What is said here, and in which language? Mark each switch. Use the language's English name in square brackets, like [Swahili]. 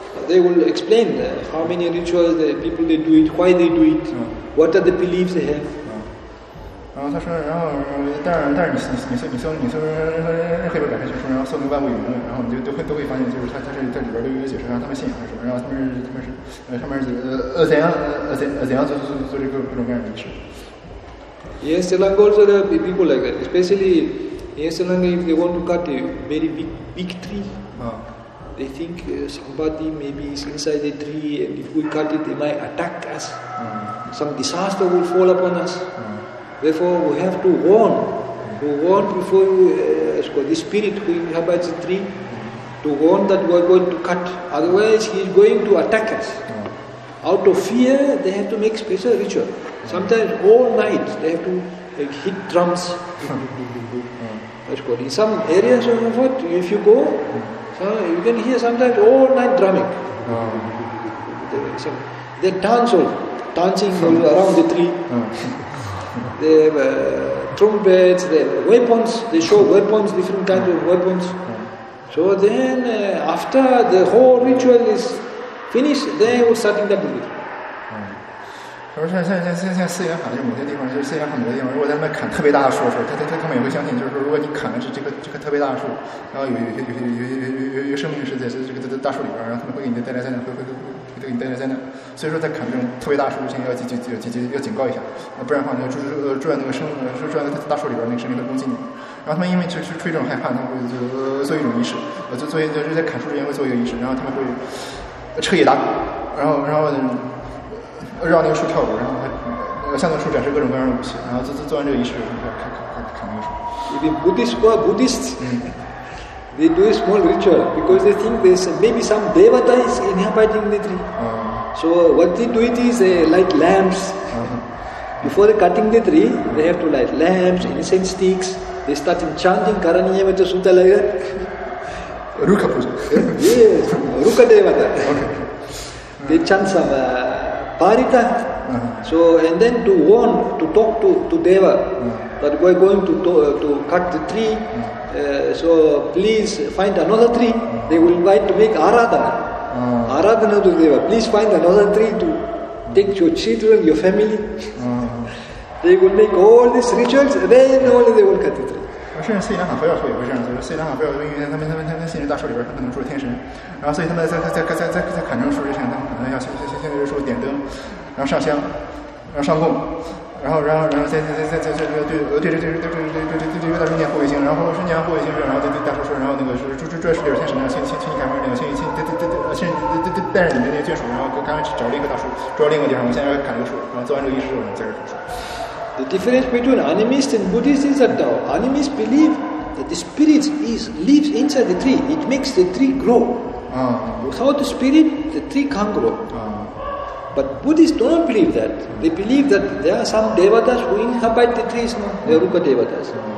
[English] They will explain how many rituals the people they do it, why they do it, what are the beliefs they have. [Chinese] 然后他说，然后但是你搜黑白百科全书，然后搜那个万物有灵论，然后你就都会发现，就是他这在里边都有解释，然后他们信仰是什么，然后他们是怎样做这个各种各样的仪式。 [English] Yes, Sri Lanka also there are people like that, especially in Sri Lanka if they want to cut a very big tree. They think somebody maybe is inside the tree, and if we cut it, they might attack us. Some disaster will fall upon us. Therefore, we have to warn. We warn before you, the spirit who inhabits the tree, to warn that we are going to cut. Otherwise, he is going to attack us. Out of fear, they have to make special ritual. Sometimes all night, they have to hit drums. In some areas of effort, if you go, you can hear sometimes all night drumming. They dance all, dancing all around the tree. They have trumpets, they have weapons, they show weapons, different kinds of weapons. So then after the whole ritual is finished, they will start in the building. [Chinese] 他说像四眼法，就某些地方，就是四眼很多地方，如果在那边砍特别大的树的时候，他们也会相信，就是说如果你砍的是这个特别大的树，然后有生命是在这个大树里边，然后他们会给你带来灾难，会给你带来灾难。所以说在砍这种特别大的树之前，要警告一下，不然的话你要住在那个生命，住在那个大树里边，那个生命会攻击你。然后他们因为就是出于这种害怕，他们会就做一种仪式，就在砍树之前会做一个仪式，然后他们会彻夜打鼓，然后绕那个树跳舞，然后向那个树展示各种各样的武器，然后做完这个仪式，然后砍那个树。 [English] If the Buddhists go Buddhist, they do a small ritual because they think there's maybe some devata is inhabiting the tree. So what they do it is light lamps. Before cutting the tree, they have to light lamps, incense sticks. They start chanting Karaniya Vata Sutta like that. Ruka puja. Yes, Ruka devata. Okay. They chant some Parita, so and then to warn, to talk to Deva, that we're going to cut the tree, so please find another tree. They will invite to make Aradhana, Aradhana to Deva. Please find another tree to take your children, your family. They will make all these rituals, then only they will cut the tree. [Chinese] 甚至斯里兰卡佛教会也会这样做。斯里兰卡佛教会，因为他们信任大树里边他们能住天神，然后所以他们在砍成树之前，他们可能要先在树点灯，然后上香，然后上供，然后再对大树念护卫星，然后是念护卫星，然后对大树说，然后那个住在树里边天神呢，请你赶快那个先带着你们那个眷属，然后赶快去找另一棵大树，住到另一个地方，我们现在要砍这个树，然后做完这个仪式之后，然后再砍树。 [English] The difference between animists and Buddhists is that though, animists believe that the spirit lives inside the tree. It makes the tree grow. Without the spirit, the tree can't grow. But Buddhists don't believe that. They believe that there are some devatas who inhabit the trees, the Rupa devatas.